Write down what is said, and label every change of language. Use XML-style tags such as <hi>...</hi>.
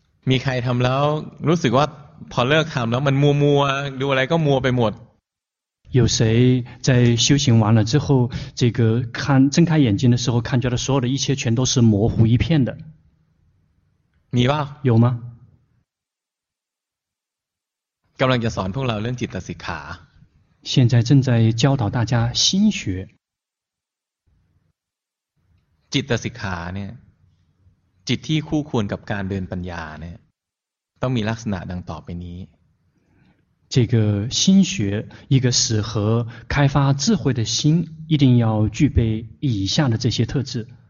<th>มีใครทำแล้วรู้สึกว่าพอเลิกทำแล้วมันมัวมัวดูอะไรก็มัวไปหมด</th> <zh>有谁在修行完了之后这个看睁开眼睛的时候看觉得所有的一切全都是模糊一片的</zh> <th>มีป่ะ</th> <zh>有吗</zh> <th>กำลังจะสอนพวกเราเรื่องจิตตสิกขา</th> <zh>现在正在教导大家心学</zh> <th>จิตสิกขาเนี่ยจิตที่คู่ควรกับการเดินปัญญาเนี่ยต้องมีลักษณะดังต่อไปนี้</th> <zh>这个心学一个适合开发智慧的心一定要具备以下的这些特质</zh>